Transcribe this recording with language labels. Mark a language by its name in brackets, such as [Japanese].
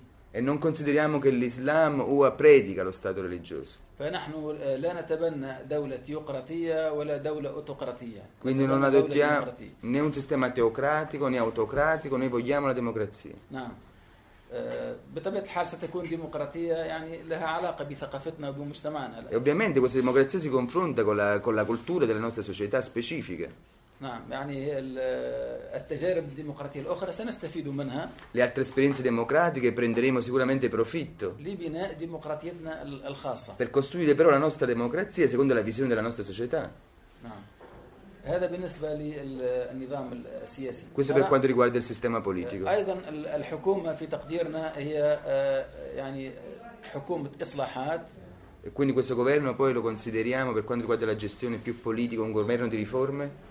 [Italian] E non consideriamo che l'Islam ua predica lo Stato religioso. [Arabic] فنحن لا نتبنى دولة ديمقراطية ولا دولة أوتوقراطية. [Italian] Quindi non adottiamo né un sistema teocratico né autocratico, noi vogliamo la democrazia. [Arabic] نعم. بطبيعة الحال ستكون ديمقراطية يعني لها علاقة بثقافتنا وبمجتمعنا. [Italian] E ovviamente questa democrazia si confronta con la cultura della nostra società specifica. [Arabic] نعم يعني التجارب الديمقراطية الأخرى سنستفيد منها. [Italian] Le altre esperienze democratiche prenderemo sicuramente profitto. [Arabic] لبناء ديمقراطيتنا الخاصة. [Italian] Per costruire però la nostra democrazia secondo la visione della nostra società. [Arabic] نعم. هذا بالنسبة للنظام السياسي. [Italian] Questo per quanto riguarda il sistema politico. [Arabic] أيضا الحكومة في تقديرنا هي يعني حكومة إصلاحات. [Italian] E quindi questo governo poi lo consideriamo per quanto riguarda la gestione più politica un governo di riforme.